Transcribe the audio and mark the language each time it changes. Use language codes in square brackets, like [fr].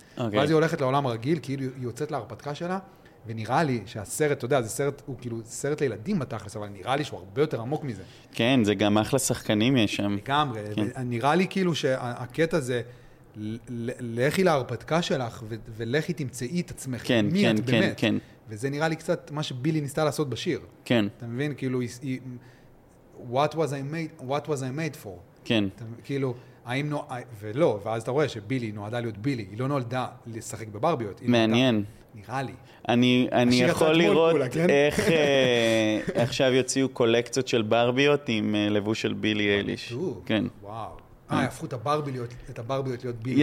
[he] ואז היא הולכת לעולם הרגיל, כאילו היא יוצאת להרפתקה שלה, ונראה לי שהסרט, אתה יודע, זה סרט, הוא כאילו סרט לילדים בתכלס, אבל נראה לי שהוא הרבה יותר עמוק מזה. כן, זה גם אחלה שחקנים יש שם. לגמרי, נראה לי כאילו שהקטע זה, לכי להרפתקה שלך, ולכי תמצאי את עצמך, מי את באמת. וזה נראה לי קצת מה שבילי ניסתה לעשות בשיר. כן. אתה מבין, כאילו, [en] What was I made for? [he] כן. כאילו, האם נועד... ולא, ואז אתה רואה שבילי נועדה להיות בילי. היא לא נולדה לשחק בברביות. מעניין. נראה לי. אני יכול לראות איך עכשיו יוציאו קולקציות של ברביות עם לבוש של בילי אליש. כן. וואו. יפכו את הברביות להיות בילי.